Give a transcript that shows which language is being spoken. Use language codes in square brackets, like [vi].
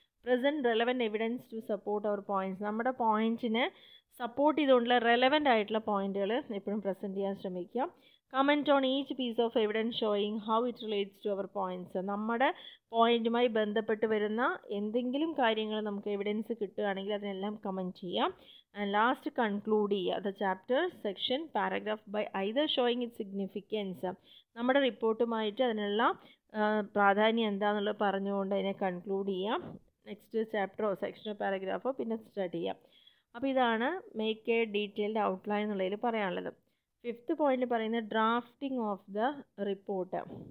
[en] present relevant evidence to support our points, [ml] നമ്മുടെ പോയിൻറ്റിനെ support ചെയ്തുകൊണ്ടുള്ള relevant ആയിട്ടുള്ള പോയിൻറ്റുകൾ എപ്പോഴും പ്രസൻറ്റ് ചെയ്യാൻ ശ്രമിക്കുക. [en] comment on each piece of evidence showing how it relates to our points, [ml] നമ്മുടെ പോയിൻറ്റുമായി ബന്ധപ്പെട്ട് വരുന്ന എന്തെങ്കിലും കാര്യങ്ങൾ നമുക്ക് എവിഡൻസ് കിട്ടുകയാണെങ്കിൽ അതിനെല്ലാം കമൻറ്റ് ചെയ്യുക. [en] And last conclude the chapter, section, paragraph by either showing its significance. [ml] നമ്മുടെ റിപ്പോർട്ടുമായിട്ട് അതിനുള്ള പ്രാധാന്യം എന്താണെന്നുള്ളത് പറഞ്ഞുകൊണ്ട് അതിനെ കൺക്ലൂഡ് ചെയ്യാം. നെക്സ്റ്റ് ചാപ്റ്ററോ സെക്ഷനോ പാരഗ്രാഫോ പിന്നെ സ്റ്റഡി ചെയ്യാം. അപ്പോൾ ഇതാണ് മേക്ക് എ ഡീറ്റെയിൽഡ് ഔട്ട്ലൈൻ എന്നുള്ളതിൽ പറയാനുള്ളത്. ഫിഫ്ത്ത് പോയിന്റ് പറയുന്നത് ഡ്രാഫ്റ്റിംഗ് ഓഫ് ദ റിപ്പോർട്ട്.